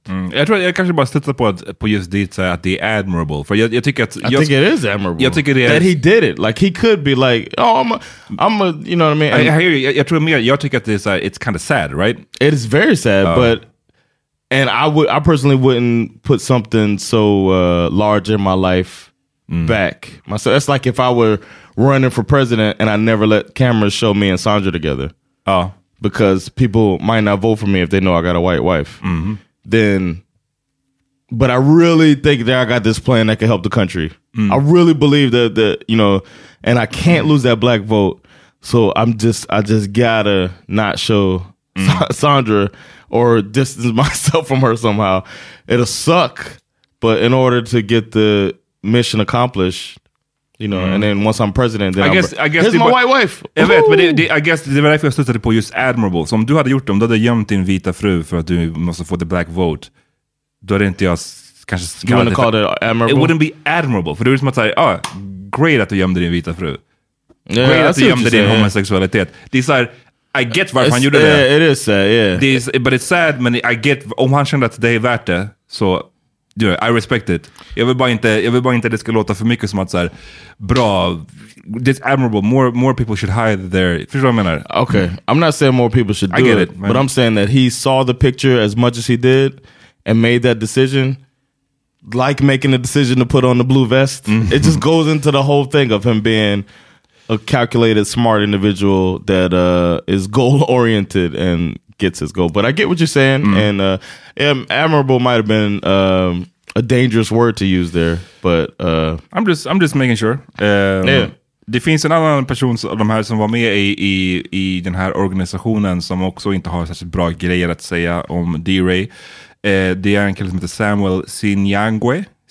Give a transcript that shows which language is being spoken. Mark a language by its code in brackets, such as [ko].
[sv] Mm. Jag tror att jag kanske bara stöttar på just det, så att det är admirable. För jag tycker att... [en] I think it is admirable. [sv] Jag tycker det är... [en] That he did it. Like, he could be like, oh, I'm a, you know what I mean? I hear you. [sv] Jag tror mer, jag tycker att det är, [en] it's kind of sad, right? It is very sad, but... And I personally wouldn't put something so large in my life back. So that's like if I were running for president and I never let cameras show me and Sandra together. Oh. Because people might not vote for me if they know I got a white wife. Mm-hmm. Then, but I really think that I got this plan that can help the country. Mm. I really believe that you know, and I can't lose that black vote. So I just gotta not show Sandra or distance myself from her somehow. It'll suck, but in order to get the mission accomplished. You know, and then once I'm president, then I guess here's my white wife. [sv] Jag vet, men [en] I guess [sv] det var därför jag stöttade på just admirable. Så om du hade gjort det, om du hade gömt din vita fru för att du måste få [en] the black vote, [sv] då hade inte jag kanske... [en] You wouldn't call it admirable? It wouldn't be admirable. [sv] För du är som att säga, great att du gömde din vita fru. [en] Yeah, [sv] great att du gömde din [en] saying. [sv] Homosexualitet. Det är såhär, [en] I get [sv] varför han gjorde det. [en] It is sad, yeah. But it's sad, [sv] men [en] I get, [sv] om han kände att det är värt det, så... [en] Yeah, I respect it. [sv] Jag vill bara inte det ska låta för mycket som att så här, bra, [en] it's admirable, more people should hide their... [sv] Förstår du vad jag menar? [en] Okay, I'm not saying more people should do it. I get it. But I'm saying that he saw the picture as much as he did and made that decision, like making a decision to put on the blue vest. Mm-hmm. It just goes into the whole thing of him being a calculated, smart individual that is goal-oriented and... gets his goal. But I get what you're saying. Mm. And admirable might have been a dangerous word to use there. But I'm just making sure. Yeah. [sv] Det finns en annan person av de här som var med i den här organisationen som också inte har särskilt bra grejer att säga om D-Ray. Det är en kille som heter Samuel Sinyangwe.